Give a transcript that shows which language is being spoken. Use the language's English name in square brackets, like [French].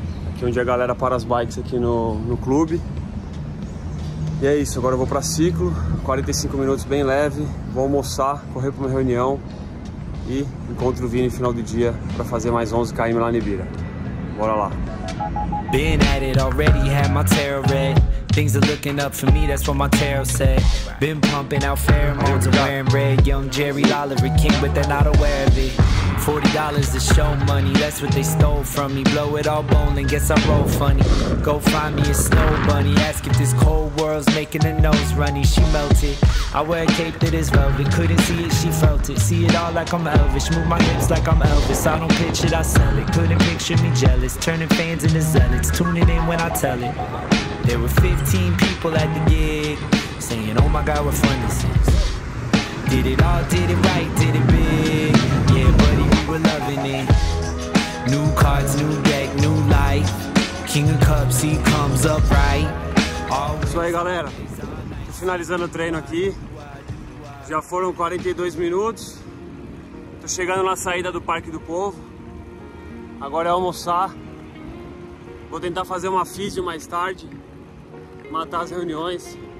[Portuguese] Aqui onde a galera para as bikes aqui no clube. E é isso, agora eu vou pra ciclo, 45 minutos bem leve, vou almoçar, correr pra uma reunião e encontro o Vini no final do dia pra fazer mais 11 km lá na Ibira. Bora lá. [English] Been at it already, had my tarot read. Things are looking up for me, that's what my tarot said. Been pumping out pheromones, I'm wearing red. Young Jerry Oliver King, but they're not aware of it. $40 to show money, that's what they stole from me. Blow it all bowling, guess I roll funny. Go find me a snow bunny, ask if this cold world's making her nose runny. She melted, I wear a cape that is velvet. Couldn't see it, she felt it. See it all like I'm Elvis, move my hips like I'm Elvis. I don't pitch it, I sell it. Couldn't picture me jealous, turning fans into zealots. Tuning in when I tell it. There were 15 people at the gig, saying oh my god, what fun this is. Did it all, did it right, did it big. We're loving it. New cards, new deck, new life. King of Cups, he comes up right. [Portuguese] Isso aí, galera. Tô finalizando o treino aqui. Já foram 42 minutos. Tô chegando na saída do Parque do Povo. Agora é almoçar. Vou tentar fazer uma físio mais tarde. Matar as reuniões.